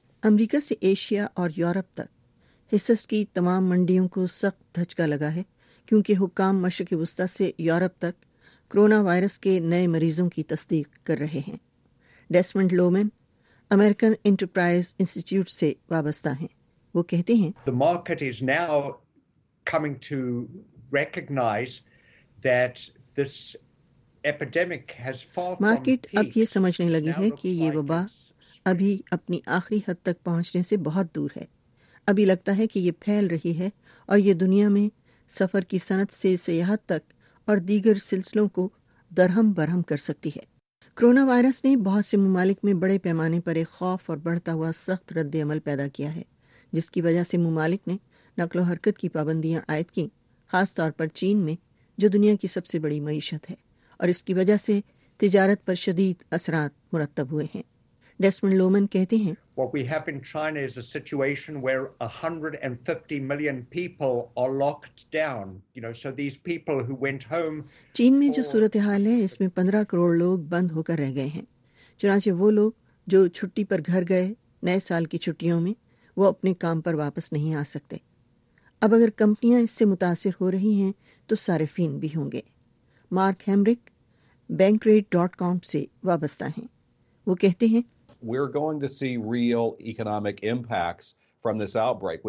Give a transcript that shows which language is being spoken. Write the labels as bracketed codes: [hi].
[ur] امریکہ سے ایشیا اور یورپ تک حصص کی تمام منڈیوں کو سخت دھچکا لگا ہے, کیونکہ حکام مشرق وسطی سے یورپ تک کرونا وائرس کے نئے مریضوں کی تصدیق کر رہے ہیں. ڈیسمنڈ لومن امریکن انٹرپرائز انسٹیٹیوٹ سے وابستہ ہیں. وہ کہتے ہیں [en] The market is now coming to recognize that this epidemic has fallen. [ur] Market اب یہ سمجھنے لگی ہے کہ یہ وبا ابھی اپنی آخری حد تک پہنچنے سے بہت دور ہے. ابھی لگتا ہے کہ یہ پھیل رہی ہے اور یہ دنیا میں سفر کی صنعت سے سیاحت تک اور دیگر سلسلوں کو درہم برہم کر سکتی ہے. کرونا وائرس نے بہت سے ممالک میں بڑے پیمانے پر ایک خوف اور بڑھتا ہوا سخت رد عمل پیدا کیا ہے, جس کی وجہ سے ممالک نے نقل و حرکت کی پابندیاں عائد کیں, خاص طور پر چین میں جو دنیا کی سب سے بڑی معیشت ہے, اور اس کی وجہ سے تجارت پر شدید اثرات مرتب ہوئے ہیں. ڈیسمنڈ لومن کہتے ہیں [en] What we have in China is a situation where 150 million people are locked down. You know, so these people who went home. [ur] چین میں جو صورتحال ہے اس میں 15 crore لوگ بند ہو کر رہ گئے ہیں. چنانچہ وہ لوگ جو چھٹی پر گھر گئے نئے سال کی چھٹیوں میں, وہ اپنے کام پر واپس نہیں آ سکتے. اب اگر کمپنیاں اس سے متاثر ہو رہی ہیں تو صارفین بھی ہوں گے. مارک ہیمرک bankrate.com سے وابستہ ہیں. وہ کہتے ہیں [en] We're going to see real economic impacts from this outbreak.